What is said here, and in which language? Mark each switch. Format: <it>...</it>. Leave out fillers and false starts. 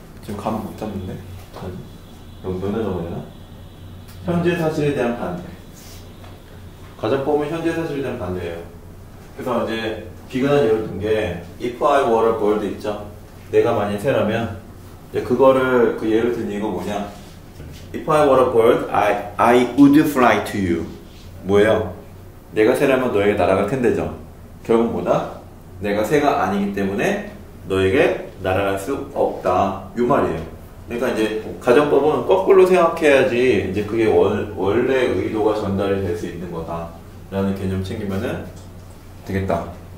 <ko>지금 감 못 잡는데? 다시? 너무 면허 적어야 되나? 현재 사실에 대한 반대. 가정법은 현재 사실에 대한 반대예요. 그래서 이제 비근한 예를 든 게</ko> <en>If I were a bird</en> <ko>있죠? 내가 만약 새라면 이제 그거를 그 예를 든 이유가 뭐냐?</ko> <en>If I were a bird, I would fly to you.</en> <ko>뭐예요? 내가 새라면 너에게 날아갈 텐데죠. 결국 뭐다? 내가 새가 아니기 때문에 너에게 날아갈 수 없다. 요 말이에요. 그러니까 이제 가정법은 거꾸로 생각해야지 이제 그게 원래 의도가 전달이 될 수 있는 거다 라는 개념 챙기면은 되겠다.</ko>